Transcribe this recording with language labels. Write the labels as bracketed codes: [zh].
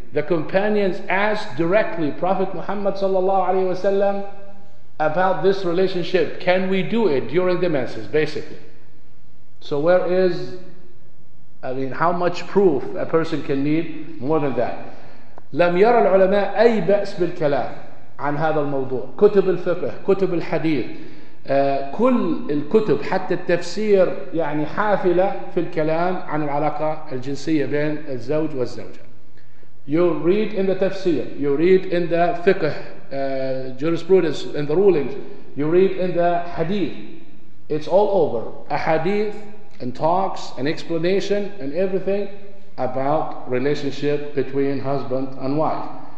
[en] The companions asked directly Prophet Muhammad sallallahu alaihi wasallam about this relationship. Can we do it during the menses, basically? So where is, how much proof a person can need more than that? [ar] لم يرى العلماء أي بأس بالكلام عن هذا الموضوع. كتب الفقه, كتب الحديث, كل الكتب حتى التفسير يعني حافلة في الكلام عن العلاقة الجنسية بين الزوج والزوجة. [en] You read in the tafsir, you read in the fiqh, jurisprudence, in the rulings, you read in the hadith. It's all over. A hadith and talks and explanation and everything about relationship between husband and wife.